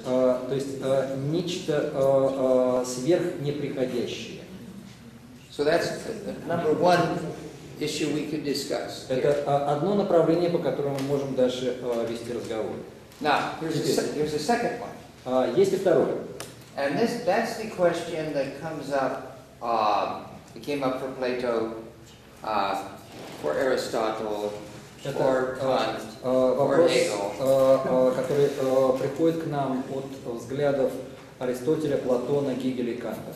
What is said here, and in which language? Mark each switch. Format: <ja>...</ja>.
<ru>То есть нечто сверхнеприходящее.</ru> <en>So that's number one issue we could discuss.</en> <ru>Это одно направление, по которому мы можем дальше вести разговор.</ru> <en>Now, here's a second one.</en> <ru>Есть и второе.</ru> <en>And that's the question that comes up, it came up for Plato, for Aristotle, for Kant, for Hegel.</en> <ru>Который приходит к нам от взглядов Аристотеля, Платона, Гегеля и Канта.</ru>